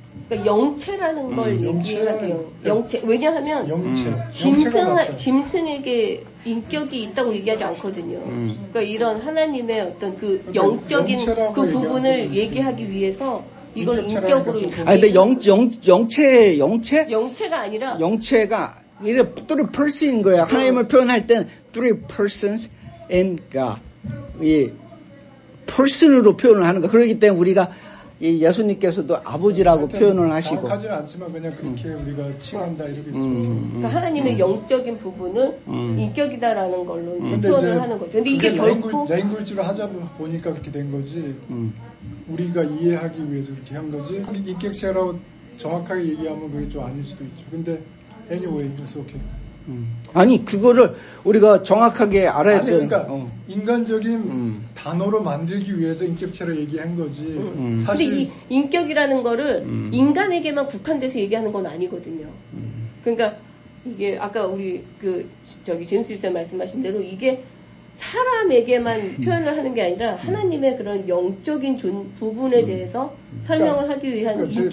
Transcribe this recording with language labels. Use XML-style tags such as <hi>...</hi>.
<ko>그러니까 영체라는 걸 얘기하게요. 영체. 왜냐하면 짐승에게 인격이 있다고 얘기하지 않거든요. 그러니까 이런 하나님의 어떤 그 영적인 그 부분을 얘기하기 위해서 이걸 인격으로. 아, 근데 영체? 영체가 아니라. 영체가 이게</ko> <en>three persons</en> <ko>인 거야. 하나님을 표현할 때는</ko> <en>three persons in God.</en> <ko>이 person으로 표현을 하는 거. 그렇기 때문에 우리가 이 예수님께서도 아버지라고 표현을 하시고. 정확하진 않지만 그냥 그렇게 우리가 칭한다 이렇게. 그러니까 하나님의 영적인 부분을 인격이다라는 걸로 표현을 하는 거죠. 근데 이게 결코 랭글지로 하자 보니까 그렇게 된 거지. 우리가 이해하기 위해서 그렇게 한 거지. 인격체라고 정확하게 얘기하면 그게 좀 아닐 수도 있죠. 근데</ko> <en>anyway, it's okay.</en> <ko>아니 그거를 우리가 정확하게 알아야 되는 그러니까 인간적인 단어로 만들기 위해서 인격체로 얘기한 거지. 사실 근데 이 인격이라는 거를 인간에게만 국한돼서 얘기하는 건 아니거든요. 그러니까 이게 아까 우리 그 저기 제임스 집사 말씀하신 대로 이게 사람에게만 표현을 하는 게 아니라 하나님의 그런 영적인 부분에 대해서 설명을 하기 위한 그렇지.</ko>